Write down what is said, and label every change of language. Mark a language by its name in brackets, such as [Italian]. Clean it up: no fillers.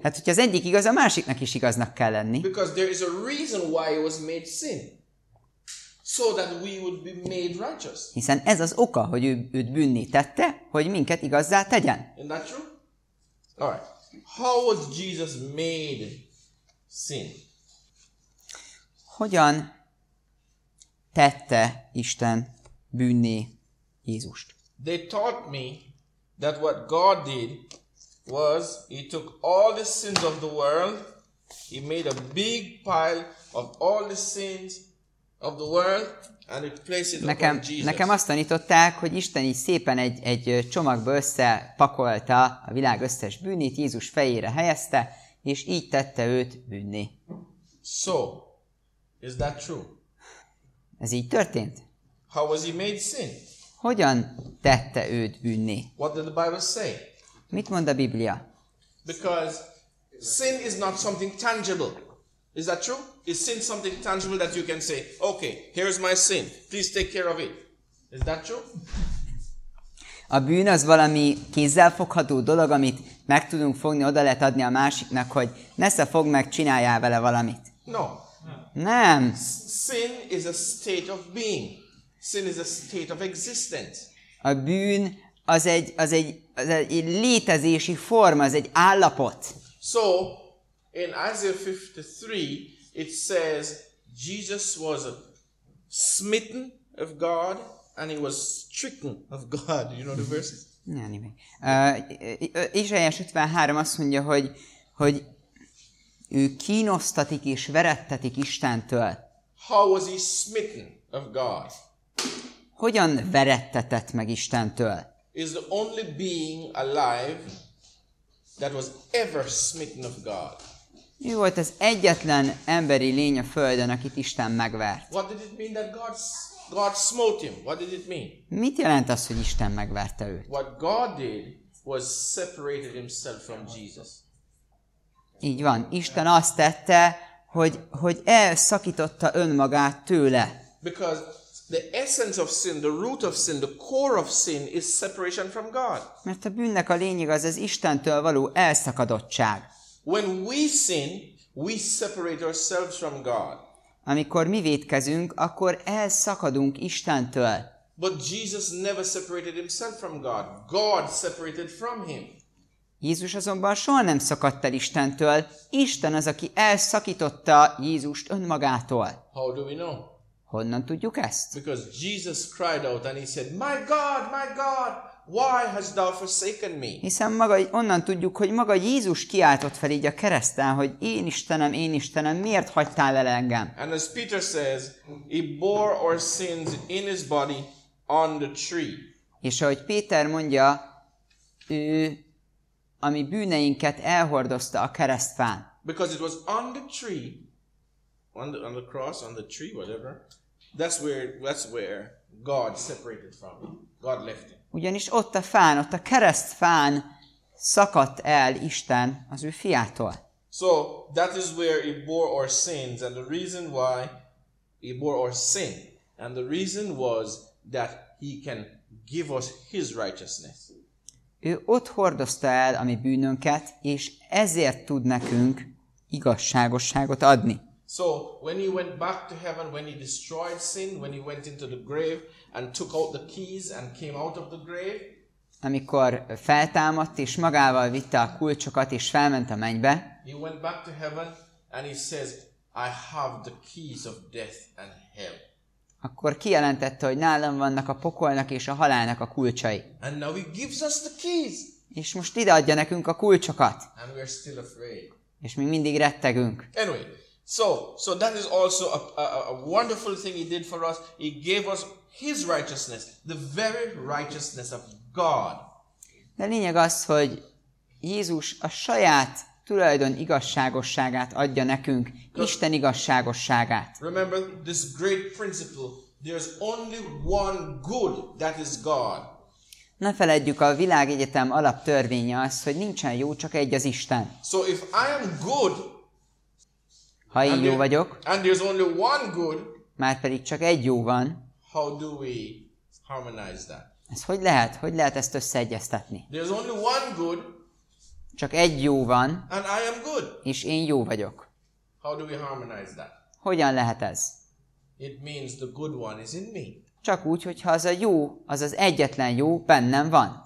[Hungarian] Hát, hogyha az egyik igaz, a másiknak is igaznak kell lenni. [English] Because there is a reason why it was made sin. So that we would be made righteous. [Hungarian] Hiszen ez az oka, hogy őt bűnné tette, hogy minket igazzá tegyen. [English] Isn't that true? All right. How was Jesus made sin? [Hungarian] Hogyan tette Isten bűnné Jézust? [English] They taught me that what God did was he took all the sins of the world He made a big pile of all the sins of the world and he placed it [Hungarian] nekem, [English] upon Jesus. [Hungarian] Nekem azt tanították, hogy Isten így szépen egy csomagba összepakolta a világ összes bűnét, Jézus fejére helyezte, és így tette őt bűnni. [English] So, is that true? [Hungarian] Ez így történt? [English] How was he made sin? [Hungarian] Hogyan tette őt bűnni? [English] What did the Bible say? [Hungarian] Mit mond a Biblia? [English] Because sin is not something tangible. Is that true? Is sin something tangible that you can say, okay, here's my sin, please take care of it. Is that true? [Hungarian] A bűn az valami kézzelfogható dolog, amit meg tudunk fogni, oda lehet adni a másiknak, hogy nesze fog meg, csináljál vele valamit. [English] No. [Hungarian] Nem. [English] Sin is a state of being. Sin is a state of existence. [Hungarian] A bűn az egy létezési forma, az egy állapot. [English] So, in Isaiah 53, it says Jesus was smitten of God and he was stricken of God. You know the verses? Anyway. [Hungarian] Izsaiás 53 azt mondja, hogy ő kínosztatik és verettetik Istentől. [English] How was he smitten of God? [Hungarian] Hogyan verettetett meg Istentől? [English] Is the only being alive that was ever smitten of God. [Hungarian] Ő volt az egyetlen emberi lény a Földön, akit Isten megvert. [English] What did it mean that God smote him? What did it mean? [Hungarian] Mit jelent az, hogy Isten megverte őt? [English] What God did was separated himself from Jesus. [Hungarian] Így van. Isten azt tette, hogy elszakította önmagát tőle. [English] Because the essence of sin, the root of sin, the core of sin is separation from God. [Hungarian] Mert a bűnnek a lényeg az Istentől való elszakadottság. [English] When we sin, we separate ourselves from God. [Hungarian] Amikor mi vétkezünk, akkor elszakadunk Istentől. [English] But Jesus never separated himself from God. God separated from him. [Hungarian] Jézus azonban soha nem szakadt el Istentől. Isten az, aki elszakította Jézust önmagától. [English] How do we know? [Hungarian] Honnan tudjuk ezt? [English] Because Jesus cried out and he said, my God, why hast thou forsaken me? [Hungarian] Hiszen maga, onnan tudjuk, hogy maga Jézus kiáltott fel így a kereszten, hogy én Istenem, miért hagytál el engem? [English] And as Peter says, he bore our sins in his body on the tree. [Hungarian] És ahogy Péter mondja, ő a mi bűneinket elhordozta a keresztfán. [English] Because it was on the tree, on the cross, on the tree, whatever. That's where God separated from him. God left him. [Hungarian] Ugyanis ott a fán, ott a keresztfán szakadt el Isten az ő fiától. [English] So that is where he bore our sins, and the reason why he bore our sin, and the reason was that he can give us his righteousness. [Hungarian] Ő ott hordozta el a mi bűnünket, és ezért tud nekünk igazságosságot adni. [English] So when he went back to heaven, when he destroyed sin, when he went into the grave and took out the keys and came out of the grave, [Hungarian] amikor feltámadt és magával vitte a kulcsokat és felment a mennybe, [English] he went back to heaven and he says, I have the keys of death and hell. [Hungarian] Akkor kijelentette, hogy nálam vannak a pokolnak és a halálnak a kulcsai. [English] And now he gives us the keys. [Hungarian] És most ideadja nekünk a kulcsokat. [English] And we're still afraid. [Hungarian] És mi mindig rettegünk. [English] Anyway. So that is also a wonderful thing he did for us. He gave us his righteousness, the very righteousness of God. [Hungarian] De lényeg az, hogy Jézus a saját tulajdon igazságosságát adja nekünk, Isten igazságosságát. [English] Remember this great principle, there's only one good, that is God. [Hungarian] Ne feledjük, a világegyetem alaptörvénye az, hogy nincsen jó, csak egy az Isten. [English] So if I am good, [Hungarian] ha én jó vagyok, [English] and there's only one good, [Hungarian] már pedig csak egy jó van, [English] how do we harmonize that? [Hungarian] Ez hogy lehet? Hogy lehet ezt összeegyeztetni? [English] There's only one good, [Hungarian] csak egy jó van, [English] and I am good, [Hungarian] és én jó vagyok. [English] How do we harmonize that? [Hungarian] Hogyan lehet ez? [English] It means the good one is in me. [Hungarian] Csak úgy, hogyha az a jó, az az egyetlen jó bennem van.